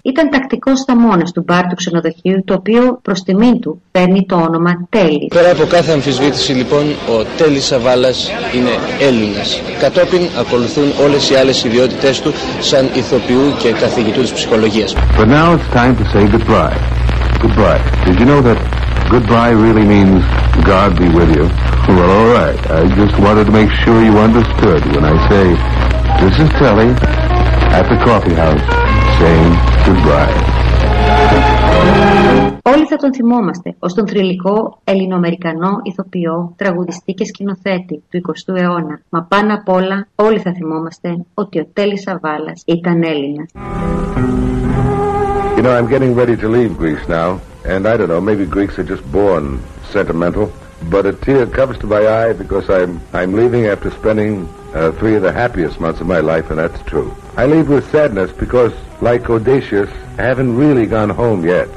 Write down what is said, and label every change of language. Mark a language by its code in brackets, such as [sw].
[el] Ήταν τακτικό στα μόνα του μπαρ του ξενοδοχείου, το οποίο προς τιμήν του παίρνει το όνομα Τέλη. Πέρα από κάθε αμφισβήτηση, λοιπόν, ο Τέλης Σαβάλας είναι Έλληνας. Κατόπιν ακολουθούν όλες οι άλλες ιδιότητες του σαν ηθοποιού και καθηγητού της ψυχολογίας. [en] But now it's time to say goodbye. Goodbye. Did you know that goodbye really means God be with you? Well, all right. I just wanted to make sure you understood when I say, this is Telly at the coffee house saying goodbye. [el] Όλοι θα τον θυμόμαστε ως τον θρυλικό ελληνοαμερικανό ηθοποιό, τραγουδιστή και σκηνοθέτη του 20ου αιώνα. Μα πάνω απ' όλα, όλοι θα θυμόμαστε ότι ο Τέλης Σαβάλας ήταν Έλληνας. [en] You know, I'm getting ready to leave Greece now. And I don't know, maybe Greeks are just born sentimental. But a tear comes to my eye because I'm leaving after spending three of the happiest months of my life, and that's true. I leave with sadness because, like Odysseus, I haven't really gone home yet.